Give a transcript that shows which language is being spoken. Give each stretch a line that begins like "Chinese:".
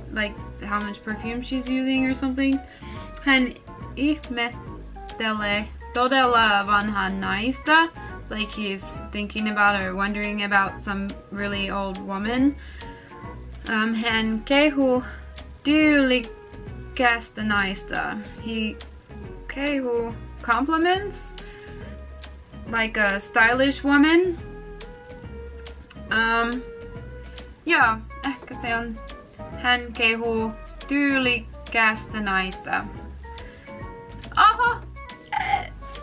English: Like how much perfume she's using or something.
Finnish: Hän ihmettelee todella vanhan naista.
English: It's like he's thinking about or wondering about some really old woman.
Finnish: Hän kehu tyylikästä naista.
English: He kehu compliments like a stylish woman.
Finnish: Yeah, ehkä se on. Hän kehu tyylikästä naista. Aha! Yes!